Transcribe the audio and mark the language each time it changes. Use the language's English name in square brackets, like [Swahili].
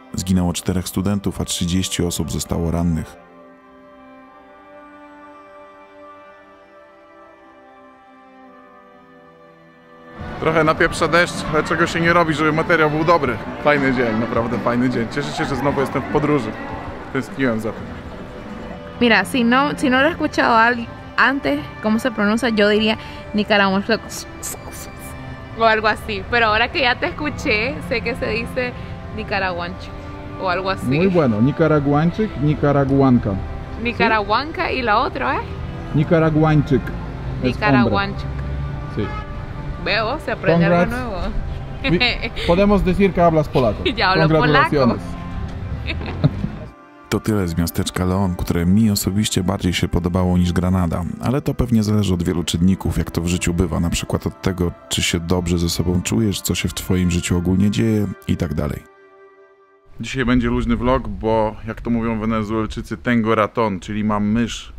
[Polish] Zginęło 4 studentów, a 30 osób zostało rannych. Trochę napieprza deszcz, ale czego się nie robi, żeby materiał był dobry. Fajny dzień, naprawdę fajny dzień. Cieszę się, że znowu jestem w podróży. Tęskniłem za tym. [Spanish] Mira, si no lo he escuchado antes, cómo se pronuncia, yo diría Nicaragua. O algo así. Pero ahora que ya te escuché, sé que se dice nicaraguanchik. O algo así. Muy bueno, nicaraguanchik, nicaraguanka. Nicaraguanka y la otra, ¿eh? Nicaraguanchik. Nicaraguanchik. Sí. Veo, se aprende [English] Congrats. [Spanish] Algo nuevo. Podemos decir que hablas polaco. Ya hablo polaco. [Polish] To tyle z miasteczka León, które mi osobiście bardziej się podobało niż Granada. Ale to pewnie zależy od wielu czynników, jak to w życiu bywa. Na przykład od tego, czy się dobrze ze sobą czujesz, co się w twoim życiu ogólnie dzieje i tak dalej. Dzisiaj będzie luźny vlog, bo jak to mówią Wenezuelczycy, [Spanish] tengo raton, [Polish] czyli mam mysz.